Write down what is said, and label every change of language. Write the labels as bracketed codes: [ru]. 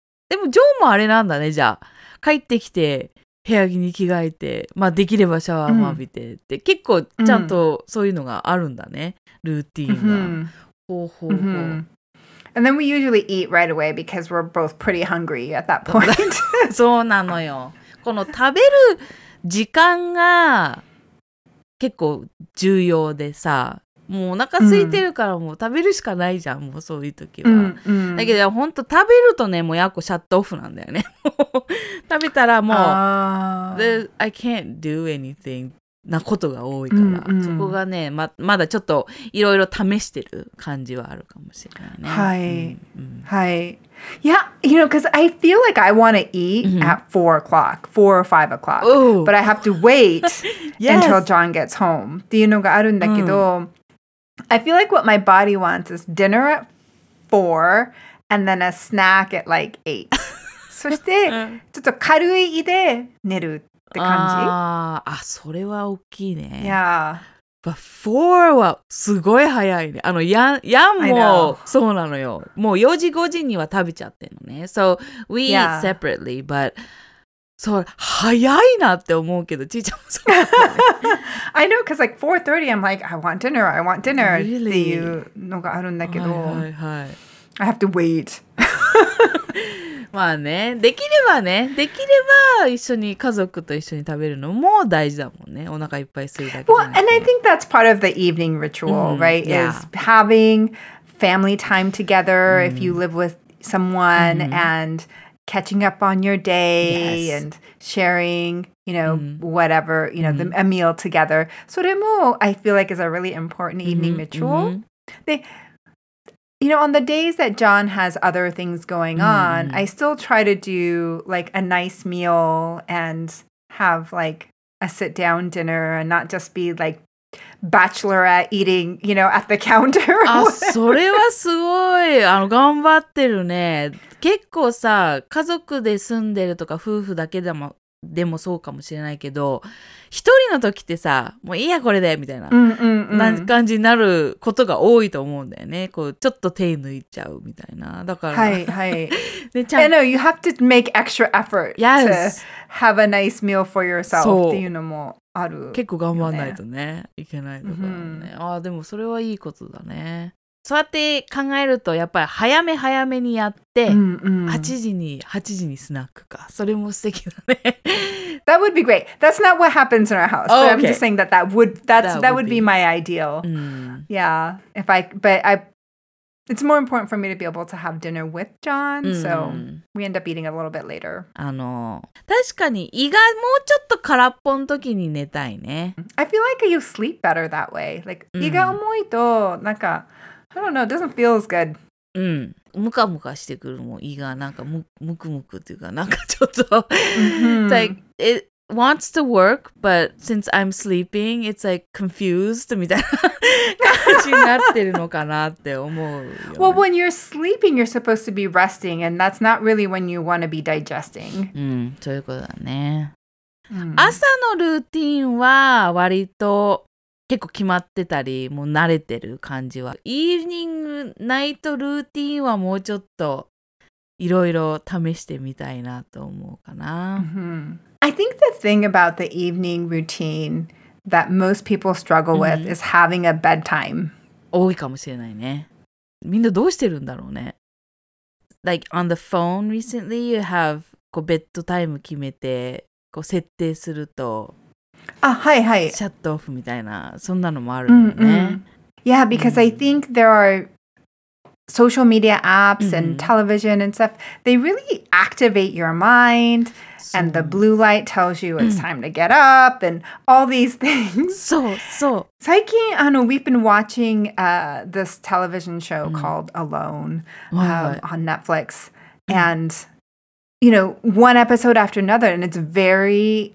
[ja] でも、ジョーもあれなんだね、じゃあ。帰ってきて、部屋着に着替えて、まあ、できればシャワーも浴びて、mm. で、結構、ちゃんとそういうのがあるんだね。ルーティーンが。Mm-hmm. ほうほうほう。Mm-hmm. [en] And then we usually eat right away because we're both pretty hungry at that point. [ja] そうなのよ。この食べる、時間が結構重要でさ、もうお腹空いてるからもう食べるしかないじゃん、うん、もうそういう時は、うんうん、だけどほんと食べるとね、もうやっこシャットオフなんだよね食べたらもう [en] I can't do anything [ja] なことが多いから、うんうん、そこがね まだちょっといろいろ試してる感じはあるかもしれないね。はい、うんうん、はい。 [en] Yeah, you know, because I feel like I want to eat mm-hmm. at 4 o'clock, 4 or 5 o'clock. Ooh. But I have to wait yes. until John gets home. [ja] っていうのがあるんだけど、mm. [en] I feel like what my body wants is dinner at 4 and then a snack at like 8. [ja] そしてちょっと軽い胃で寝るって感じ。ああ、それは大きいね。 [en] Yeah. But four [ja] はすごい早いね。あの、ヤンもそうなのよ。もう4時5時には食べちゃってるのね。 [en] So we eat separately, but [ja] そう、早いなって思うけど、ちーちゃんもそうな [en] の。I know, because like 4:30, I'm like, I want dinner、 really? [ja] っていうのがあるんだけど。はいはいはい。 [en] I have to wait. [ja] まあね、できればね、できれば一緒に家族と一緒に食べるのも大事だもんね。お腹いっぱいするだけで。 [en] Well, and I think that's part of the evening ritual, mm-hmm. right? Yeah. Is having family time together、mm-hmm. if you live with someone、mm-hmm. and catching up on your day、 yes. and sharing, you know,、mm-hmm. whatever, you know,、mm-hmm. a meal together. [ja] それも [en] I feel like is a really important evening、mm-hmm. ritual.、Mm-hmm. You know, on the days that John has other things going on,、mm. I still try to do like a nice meal and have like a sit down dinner and not just be like bachelorette eating, you know, at the counter. [ja] あ、それはすごい。あの、頑張ってるね。結構さ、家族で住んでるとか夫婦だけでも、でもそうかもしれないけど、一人の時ってさ、もういいやこれでみたいな、うんうんうん、な感じになることが多いと思うんだよね。こうちょっと手抜いちゃうみたいな。だから、はいはい。でちゃん、 [en] I know you have to make extra effort、 yes. to have a nice meal for yourself [ja] っていうのもある、ね。結構頑張らないとね、いけないとかね。Mm-hmm. ああでもそれはいいことだね。そうやって考えるとやっぱり早め早めにやって、うんうん、 8時にスナックか、それも素敵だね。 [en] That would be great. That's not what happens in our house.、 Oh, okay. But I'm just saying that that would be my ideal.、 Mm. Yeah. If I, but I, it's more important for me to be able to have dinner with John.、Mm. So we end up eating a little bit later. [ja] あの、確かに胃がもうちょっと空っぽの時に寝たいね。 [en] I feel like you sleep better that way. [ja] Like、mm. 胃が重いとなんか。 [en] I don't know, it doesn't feel as good. [ja] うん。ムカムカしてくるもん。胃がなんかムクムクっていうか、なんかちょっと。 [en] It's like, it wants to work, but since I'm sleeping, it's like confused [ja] みたいな感じになってるのかなって思う。 [en] Well, when you're sleeping, you're supposed to be resting, and that's not really when you want to be digesting. [ja] うん、そういうことだね。朝のルーティーンは割と、結構決まってたり、もう慣れてる感じは。イーニングナイトルーティーンはもうちょっといろいろ試してみたいなと思うかな。 Mm-hmm. [en] I think the thing about the evening routine that most people struggle with、mm-hmm. is having a bedtime. [ja] 多いかもしれないね。みんなどうしてるんだろうね。 [en] Like on the phone recently, you have [ja] こうベッドタイム決めてこう設定すると、あ、はいはい。シャットオフみたいな、そんなのもあるよね。 Mm-hmm. [en] Yeah, because、mm-hmm. I think there are social media apps and television and stuff, they really activate your mind, and the blue light tells you it's time to get up, and all these things. [ja] そうそう。最近、あの、 [en] we've been watching、this television show called Alone、on Netflix, and, you know, one episode after another, and it's very...